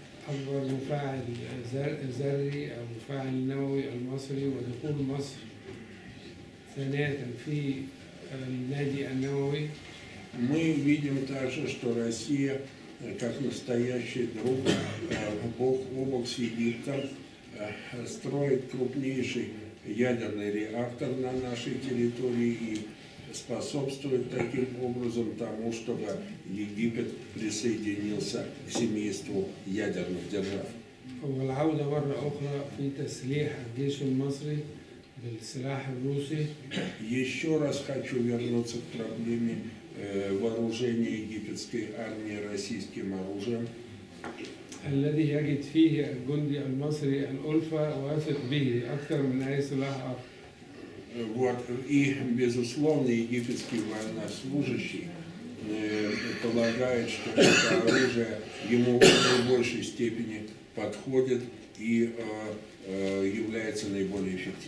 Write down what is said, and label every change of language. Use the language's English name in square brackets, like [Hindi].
[Arabic] أكبر مفاعل ذري أو مفاعل نووي المصري ودخول مصر ثانية في النادي النووي. [Russian] Мы видим также, что Россия как настоящий друг бок о бок с Египтом строит крупнейший ядерный реактор на нашей территории и способствует таким образом тому, чтобы Египет присоединился к семейству ядерных держав. [Arabic] والعودة مرة أخرى في تسليح الجيش المصري بالسلاح الروسي. [Russian] Еще раз хочу вернуться к проблеме вооружения египетской армии российским оружием. [Arabic] الذي يجد فيه الجندي المصري الألفة واثق به أكثر من أي سلاح آخر. [Russian] Вот, и, безусловно, египетский военнослужащий полагает, что это оружие ему в наибольшей степени подходит и является наиболее